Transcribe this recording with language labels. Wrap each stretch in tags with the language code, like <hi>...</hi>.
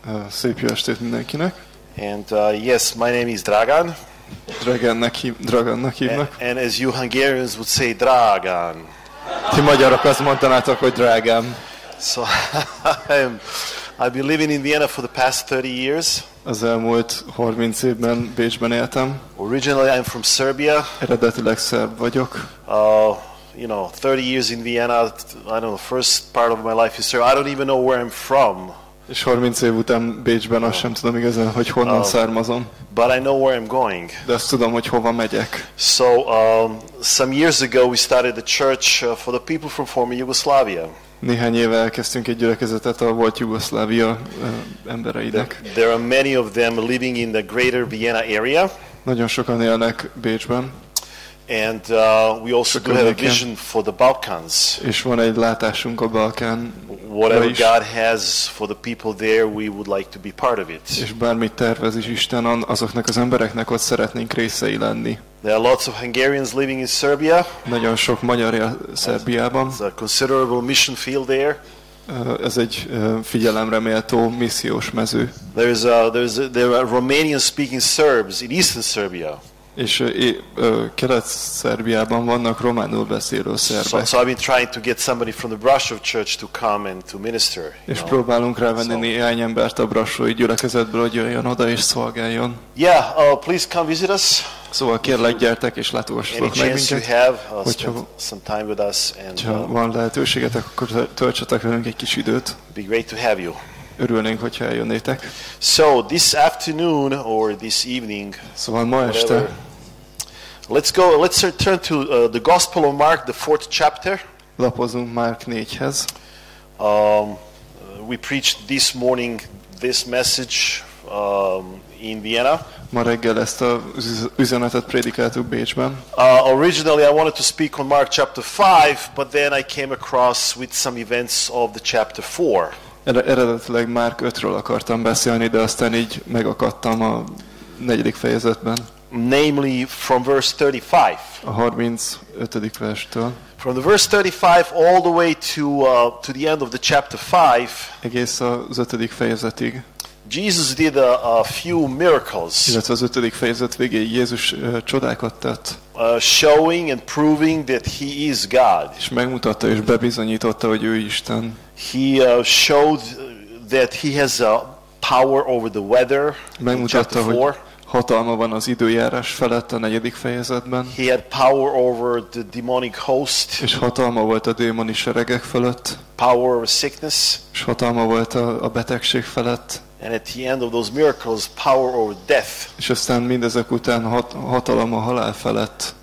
<hu>Szép jó estét mindenkinek.</hu> <en>And yes, my name is Dragan.</en> <hu>Dragannak hívnak.</hu> <en>And as you Hungarians would say, Dragan.</en> <hu>Ti magyarok azt mondanátok, hogy Dragan.</hu> <en>So I'm, I've been living in Vienna for the past 30 years.</en> <hu>Az elmúlt 30 évben Bécsben éltem.</hu> <en>Originally I'm from Serbia.</en> <hu>Eredetileg szerb vagyok.</hu> <en>You know, 30 years in Vienna, I don't know, first part of my life in Serbia. I don't even know where I'm from.</en> <hu>És 30 év után Bécsben azt sem tudom igazán, hogy honnan származom.</hu> <en>But I know where I'm going.</en> <hu>De azt tudom, hogy hova megyek.</hu> <en>So, some years ago we started the church for the people from former Yugoslavia.</en> <hu>Néhány éve elkezdtünk egy gyülekezetet a volt Jugoszlávia embereinek.</hu> <en>There are many of them living in the greater Vienna area.</en> <hu>Nagyon sokan élnek Bécsben.</hu> <en>And we also do have a vision for the Balkans.</en> <hu>És van egy látásunk a Balkán.</hu> <en>Whatever God has for the people there, we would like to be part of it.</en> <hu>És bármit tervez is Isten, azoknak az embereknek ott szeretnénk részei lenni.</hu> <en>There are lots of Hungarians living in Serbia.</en> <hu>Nagyon sok magyar él Szerbiában.</hu> <en>It's a considerable mission field there.</en> <hu>Ez egy figyelemre méltó missziós mező.</hu> <en>There are Romanian speaking Serbs in eastern Serbia.</en> <hu>És Kelet-Szerbiában vannak románul beszélő szerbek.</hu> <en>So I've been trying to get somebody from the Brasov church to come and to minister.</en> <hu>És próbálunk rávenni néhány embert a brasovi gyülekezetből, hogy jöjjön oda és szolgáljon.</hu> <en>Yeah, please come visit us.</en> <hu>Szóval kérlek, gyertek és látogassatok meg minket. Hogyha</hu> <en>some time with us and</en> <hu>van lehetőségetek, akkor töltsetek velünk egy kis időt.</hu> <en>Be great to have you.</en> <hu>Örülnénk, hogyha eljönnétek.</hu> <en>So this afternoon or this evening.</en> <hu>Szóval ma este.</hu> <en>Let's turn to the Gospel of Mark, the fourth chapter.</en> <hu>Lapozunk Mark 4-hez.</hu> <en>We preached this morning this message in Vienna.</en> <hu>Ma reggel ezt a üzenetet prédikáltuk Bécsben.</hu> <en>Originally I wanted to speak on Mark chapter 5, but then I came across with some events of the chapter 4.</en> <hu>Eredetileg Mark 5-ről akartam beszélni, de aztán így megakadtam a negyedik fejezetben.</hu> <en>Namely from verse 35.</en> <hu>A 35. verstől.</hu> <en>From the verse 35 all the way to the end of the chapter 5.</en> <hu>Egész az 5. fejezetig.</hu> <en>Jesus did a few miracles.</en> <hu>Illetve az 5. fejezet végéig Jézus csodákat tett.</hu> <en>Showing and proving that he is God.</en> <hu>És megmutatta és bebizonyította, hogy ő Isten.</hu> <en>He showed that he has a power over the weather.</en> <hu>Megmutatta, hogy hatalma van az időjárás felett a negyedik fejezetben.</hu> <en>He had power over the demonic host.</en> <hu>És hatalma volt a démoni seregek felett.</hu> <en>Power over sickness.</en> <hu>És hatalma volt a betegség felett.</hu> <en>And at the end of those miracles, power over death.</en> <hu>És aztán mindezek után hatalom a halál felett.</hu>